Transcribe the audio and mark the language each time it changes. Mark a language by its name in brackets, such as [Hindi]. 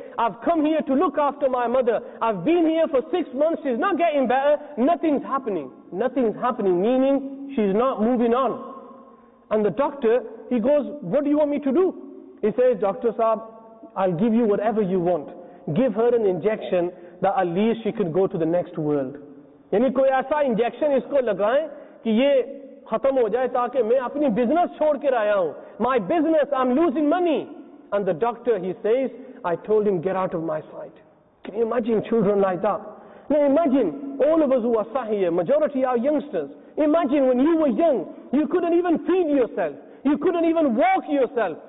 [English] I've come here to look after my mother. I've been here for 6 months, she's not getting better. Nothing's happening. Nothing's happening, meaning she's not moving on. And the doctor, he goes, what do you want me to do? He says, Dr. Saab, I'll give you whatever you want. Give her an injection that at least she can go to the next world. [Urdu] یعنی کوئی ایسا injection اسکو لگائیں کہ یہ ختم ہو جائے تاکہ میں اپنی بزنس چھوڑ کر آیا ہوں۔ [English] My business, I'm losing money. And the doctor, he says, I told him, get out of my sight. Can you imagine children like that? Now imagine, all of us who are sat here, majority are youngsters. Imagine when you were young, you couldn't even feed yourself. You couldn't even walk yourself.